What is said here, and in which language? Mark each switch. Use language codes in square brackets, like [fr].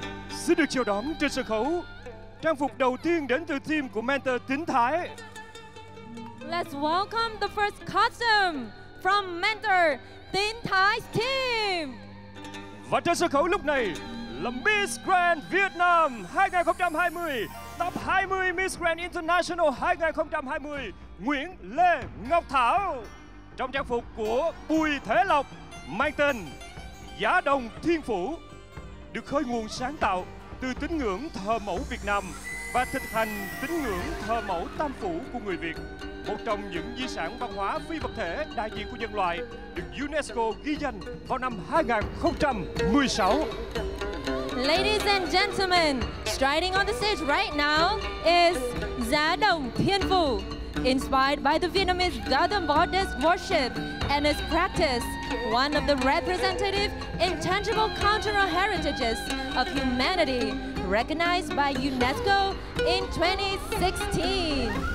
[vi] Xin được chào đón trên sân khấu trang phục đầu tiên đến từ team của Mentor Tính Thái. [en] Let's welcome the first costume from Mentor Tính Thái's team. [vi] Và trên sân khấu lúc này là Miss Grand Vietnam 2020, top 20 Miss Grand International 2020, Nguyễn Lê Ngọc Thảo, trong trang phục của Bùi Thế Lộc mang tên Giá Đồng Thiên Phủ, được khơi nguồn sáng tạo từ tín ngưỡng thờ mẫu Việt Nam và thực hành tín ngưỡng thờ mẫu Tam Phủ của người Việt, một trong những di sản văn hóa phi vật thể đại diện của nhân loại được UNESCO ghi danh vào năm 2016. [en] Ladies and gentlemen, striding on the stage right now is Giá Đồng Thiên Phủ, inspired by the Vietnamese Garden Goddess worship and its practice, one of the representative intangible cultural heritages of humanity recognized by UNESCO in 2016.